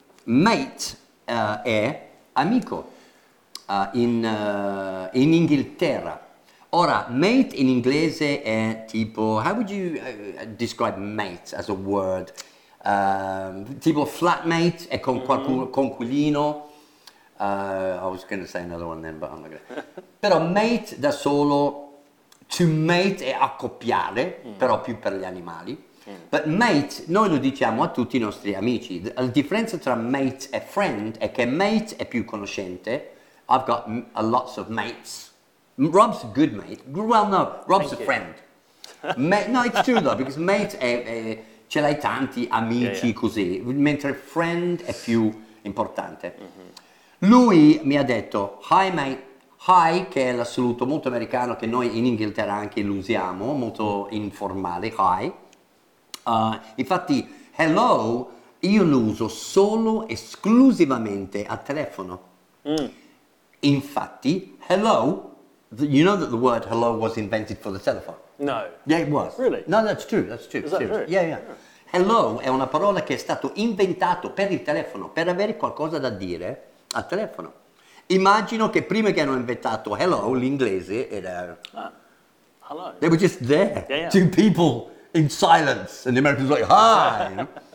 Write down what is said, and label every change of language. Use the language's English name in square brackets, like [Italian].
[Italian] Mate è amico in Inghilterra. Ora, mate in inglese è tipo, [English] how would you describe mate as a word? [Italian] Tipo flatmate e con conquilino. [English] I was going to say another one then, but I'm not going to. [Italian] Però mate da solo, to mate è accoppiare, però più per gli animali. But mate, noi lo diciamo a tutti i nostri amici. La differenza tra mate e friend è che mate è più conoscente. [English] I've got a lots of mates. Rob's a good mate. Well, no, Rob's Thank a you. Friend. Mate, no, it's true though, because mate [Italian] è ce l'hai tanti amici così, mentre friend è più importante. Lui mi ha detto, [English] hi mate, hi, [Italian] che è l'assoluto molto americano che noi in Inghilterra anche lo usiamo, molto informale, hi. Infatti, hello, io lo uso solo esclusivamente al telefono. [English] Infatti, hello, you know that the word hello was invented for the telephone? No. Yeah, it was. Really? No, that's true. Is that true? Yeah. [Italian] Hello è una parola che è stato inventato per il telefono, per avere qualcosa da dire al telefono. Immagino che prima che hanno inventato hello, l'inglese era... [English] Hello. They were just there. Yeah. Two people in silence. And the Americans were like, hi.